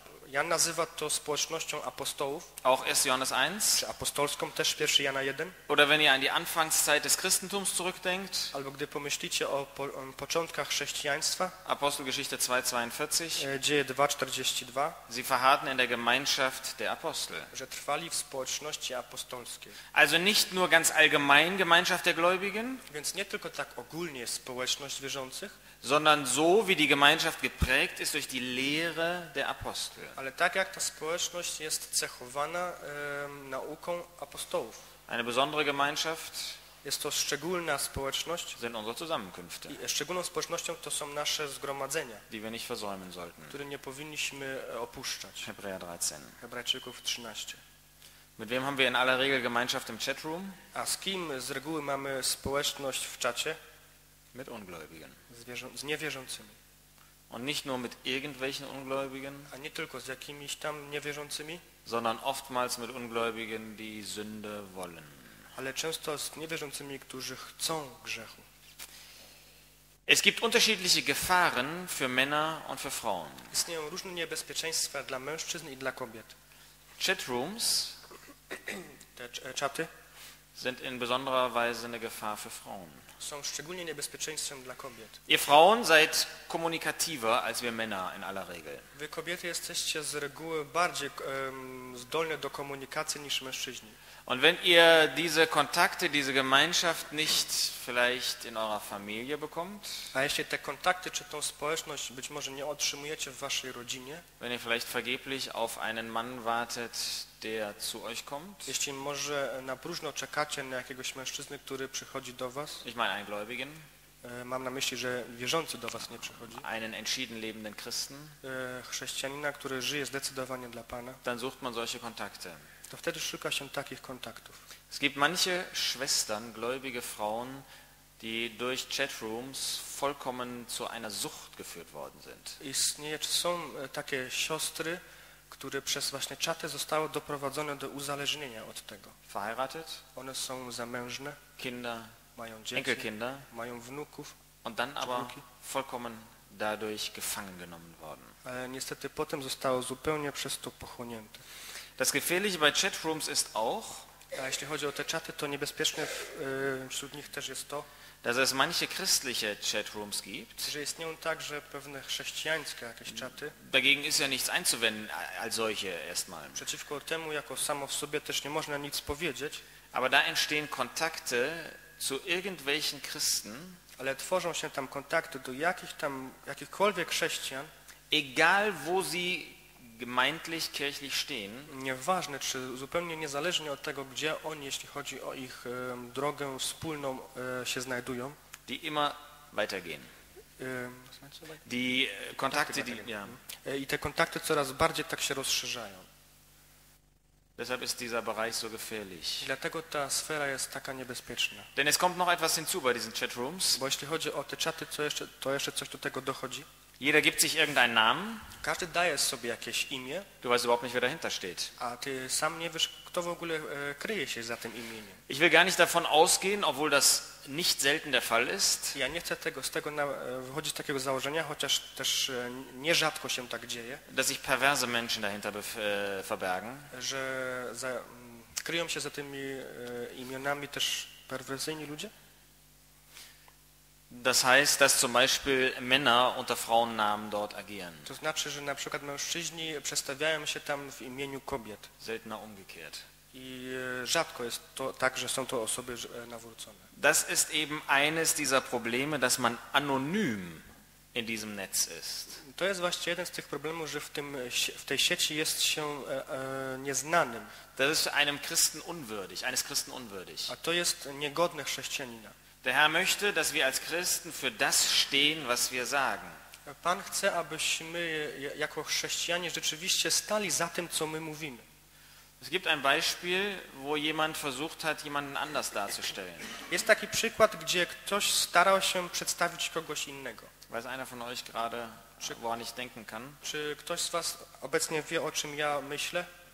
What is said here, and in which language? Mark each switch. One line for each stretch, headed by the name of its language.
Polish: Jan nazywa to społecznością apostołów.
German: Auch 1. Johannes 1.
Polish: Czy apostolską też 1. Jana 1.
German: Oder wenn ihr an die Anfangszeit des Christentums zurückdenkt.
Polish: Albo gdy pomyślicie o początkach chrześcijaństwa.
German: Apostelgeschichte 2:42.
Polish: Dzieje 2:42.
German: Sie verharrten in der Gemeinschaft der Apostel.
Polish: Że trwali w społeczności apostolskiej.
German: Also nicht nur ganz allgemein Gemeinschaft der Gläubigen.
Polish: Więc nie tylko tak ogólnie społeczność wierzących.
German: Sondern so, wie die Gemeinschaft geprägt ist durch die Lehre der Apostel.
Polish: Ale tak jak ta społeczność jest cechowana nauką apostołów.
German: Eine besondere Gemeinschaft.
Polish: Jest to szczególna społeczność.
German: Sind unsere Zusammenkünfte.
Polish: I szczególną społecznością to są nasze zgromadzenia.
German: Die wir nicht versäumen sollten.
Polish: Które nie powinniśmy opuszczać.
German: Hebräer 13.
Polish: Hebrajczyków 13.
German: Mit wem haben wir in aller Regel Gemeinschaft im Chatroom?
Polish: A z kim z reguły mamy społeczność w czacie?
German: Mit Ungläubigen.
Polish: Z niewierzącymi.
German: Und nicht nur mit irgendwelchen Ungläubigen,
Polish: a nie tylko z jakimiś tam niewierzącymi,
German: sondern oftmals mit Ungläubigen, die Sünde wollen.
Polish: Ale często z niewierzącymi, którzy chcą grzechu.
German: Es gibt unterschiedliche Gefahren für Männer und für Frauen.
Polish: Istnieją różne niebezpieczeństwa dla mężczyzn i dla kobiet.
German: Chatrooms
Polish: chaty
German: sind in besonderer Weise eine Gefahr für Frauen.
Polish: Są szczególnie niebezpieczeństwem dla kobiet.
German: Ihr Frauen seid kommunikativer als wir Männer in aller Regel.
Polish: Wy kobiety jesteście z reguły bardziej zdolne do komunikacji niż mężczyźni.
German: Und wenn ihr diese Kontakte, diese Gemeinschaft nicht vielleicht in eurer Familie bekommt,
Polish: a jeśli te kontakty czy tą społeczność być może nie otrzymujecie w waszej rodzinie,
German: wenn ihr vielleicht vergeblich auf einen Mann wartet, der zu euch kommt,
Polish: jeśli może na próżno czekacie na jakiegoś mężczyzny, który przychodzi do was,
German: ich meine einen Gläubigen,
Polish: mam na myśli, że wierzący do was nie przychodzi,
German: einen entschieden lebenden Christen,
Polish: chrześcijanina, który żyje zdecydowanie dla Pana,
German: dann sucht man solche Kontakte.
Polish: To wtedy szuka się takich kontaktów.
German: Es gibt manche Schwestern, gläubige Frauen, die durch Chatrooms vollkommen zu einer Sucht geführt worden sind.
Polish: Istnieje, czy są takie siostry, które przez właśnie czaty zostały doprowadzone do uzależnienia od tego.
German: Verheiratet.
Polish: One są zamężne.
German: Kinder.
Polish: Mają dzieci.
German: Enkelkinder.
Polish: Mają wnuków.
German: Und dann aber vollkommen dadurch gefangen genommen worden.
Polish: Ale niestety potem zostało zupełnie przez to pochłonięte.
German: Das Gefährliche bei Chatrooms ist auch,
Polish: a jeśli chodzi o te czaty, to niebezpieczne wśród nich też jest to,
German: dass es manche christliche Chatrooms gibt,
Polish: że istnieją także pewne chrześcijańskie jakieś czaty.
German: Dagegen ist ja nichts einzuwenden als solche erstmal.
Polish: Przeciwko temu jako samo w sobie też nie można nic powiedzieć.
German: Aber da entstehen Kontakte zu irgendwelchen Christen,
Polish: ale tworzą się tam kontakte do jakich tam, jakichkolwiek chrześcijan,
German: egal wo sie gemeintlich kirchlich stehen.
Polish: Nieważne, czy zupełnie niezależnie od tego, gdzie oni, jeśli chodzi o ich drogę wspólną, się znajdują.
German: Die immer weitergehen. Die Kontakte, die, ja.
Polish: I te kontakty coraz bardziej tak się rozszerzają.
German: Deshalb ist dieser Bereich so gefährlich.
Polish: Dlatego ta sfera jest taka niebezpieczna.
German: Denn es kommt noch etwas hinzu bei diesen Chatrooms.
Polish: Bo jeśli chodzi o te czaty, to jeszcze coś do tego dochodzi.
German: Jeder gibt sich irgendeinen Namen.
Polish: Każdy daje sobie jakieś imię.
German: Du weißt überhaupt nicht, wer dahinter steht.
Polish: A ty sam nie wiesz, kto w ogóle kryje się za tym imieniem.
German: Ich will gar nicht davon ausgehen, obwohl das nicht selten der Fall ist.
Polish: Ja nie chcę tego, z tego wychodzić takiego założenia, chociaż też nierzadko się tak dzieje.
German: Dass sich perverse Menschen dahinter verbergen.
Polish: Że kryją się za tymi imionami też perwersyjni ludzie.
German: Das heißt, dass zum Beispiel Männer unter Frauennamen dort agieren.
Polish: To znaczy, że na przykład mężczyźni przedstawiają się tam w imieniu kobiet.
German: Seltener umgekehrt.
Polish: I rzadko jest to tak, że są to osoby nawrócone.
German: Das ist eben eines dieser Probleme, dass man anonym in diesem Netz ist.
Polish: To jest właśnie jeden z tych problemów, że w tej sieci jest się nieznanym.
German: Das ist einem Christen unwürdig, eines Christen unwürdig.
Polish: A to jest niegodne chrześcijanina.
German: Der Herr möchte, dass wir als Christen für das stehen, was wir sagen.
Polish: Pan chce, abyśmy jako chrześcijanie rzeczywiście stali za tym, co my mówimy.
German: Es gibt ein Beispiel, wo jemand versucht hat, jemanden anders darzustellen.
Polish: Jest taki przykład, gdzie ktoś starał się przedstawić kogoś innego.
German: Weiß einer von euch gerade, woran ich denken kann?
Polish: Czy ktoś z was obecnie wie, o czym ja myślę?